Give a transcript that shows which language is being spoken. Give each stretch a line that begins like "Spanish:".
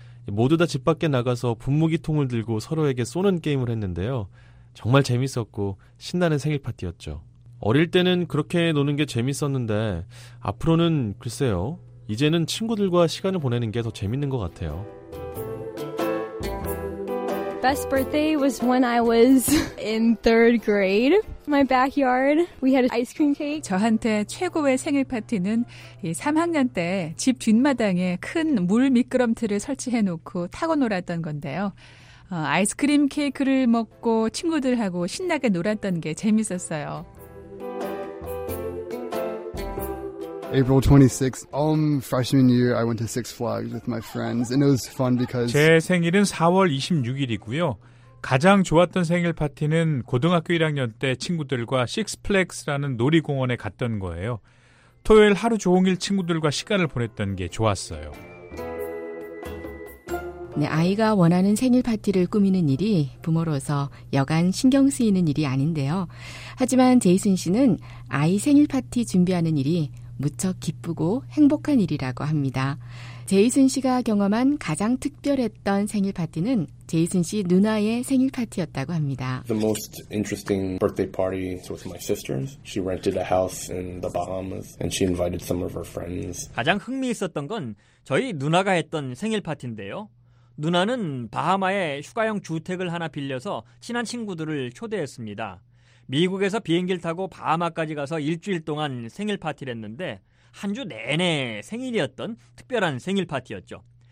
Korean: 모두 다 집 밖에 나가서 분무기통을 들고 서로에게 쏘는 게임을 했는데요. 정말 재밌었고 신나는 생일 파티였죠. 어릴 때는 그렇게 노는 게 재밌었는데 앞으로는 글쎄요. 이제는 친구들과 시간을 보내는 게 더 재밌는 것 같아요.
English: Best birthday was when I was in third grade. My backyard, we had ice cream cake.
Korean: 저한테 최고의 생일 파티는 이 3학년 때 집 뒷마당에 큰 물 미끄럼틀을 설치해 놓고 타고 놀았던 건데요. 아이스크림 케이크를 먹고 친구들하고 신나게 놀았던 게 재밌었어요.
English: April 26th, freshman year, I went to Six Flags with my friends, and it was fun because
Korean: 제 생일은 4월 26일이고요. 가장 좋았던 생일 파티는 고등학교 1학년 때 친구들과 Six Flags라는 놀이공원에 갔던 거예요. 토요일 하루 종일 친구들과 시간을 보냈던 게 좋았어요. 네, 아이가 원하는 생일 파티를 꾸미는 일이 부모로서 여간 신경 쓰이는 일이 아닌데요. 하지만 제이슨 씨는 아이 생일 파티 준비하는 일이 무척 기쁘고 행복한 일이라고 합니다. 제이슨 씨가 경험한 가장 특별했던 생일 파티는 제이슨 씨 누나의 생일 파티였다고 합니다.
English: The most interesting birthday party was my sister's. She rented a house in the Bahamas and she invited some of her friends.
Korean: 가장 흥미있었던 건 저희 누나가 했던 생일 파티인데요. 누나는 바하마에 휴가용 주택을 하나 빌려서 친한 친구들을 초대했습니다. 미국에서 비행기를 타고 바하마까지 가서 일주일 동안 생일 파티를 했는데 한 주 내내 생일이었던 특별한 생일 파티였죠.